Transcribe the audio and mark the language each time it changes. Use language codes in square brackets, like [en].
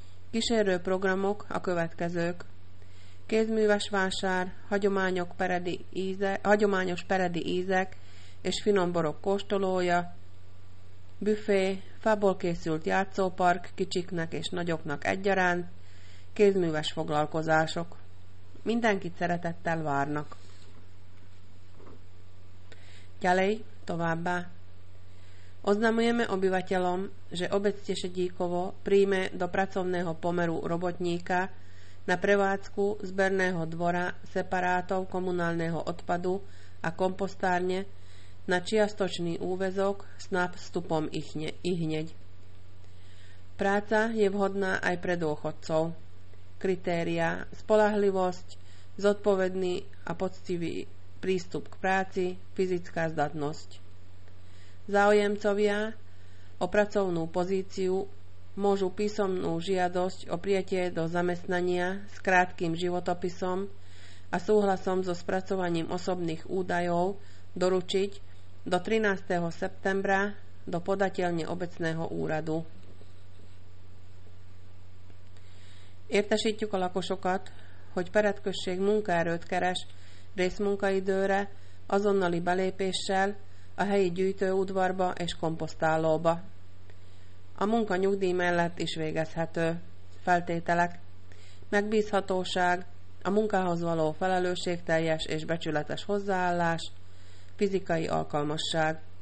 [hu] Kísérő programok a következők. Kézműves vásár, hagyományok peredi íze, hagyományos peredi ízek és finomborok kóstolója, büfé, fából készült játszópark kicsiknek és nagyoknak egyaránt, kézműves foglalkozások. Mindenkit szeretettel várnak. [sk] Ďalej továbbá. Oznamujeme obyvateľom, že obec Tešedíkovo príjme do pracovného pomeru robotníka na prevádzku zberného dvora separátov komunálneho odpadu a kompostárne na čiastočný úväzok s nástupom ihneď. Práca je vhodná aj pre dôchodcov. Kritéria: spoľahlivosť, zodpovedný a poctivý prístup k práci, fyzická zdatnosť. Záujemcovia o pracovnú pozíciu môžu písomnú žiadosť o prijatie do zamestnania s krátkým životopisom a súhlasom so spracovaním osobných údajov doručiť do 13. septembra do podateľne obecného úradu. [hu] Értesítjük a lakosokat, hogy peredkösség munkaerőt keres részmunkaidőre azonnali belépéssel a helyi gyűjtőudvarba és komposztálóba. A munka nyugdíj mellett is végezhető. Feltételek: megbízhatóság, a munkához való felelősségteljes és becsületes hozzáállás, fizikai alkalmasság.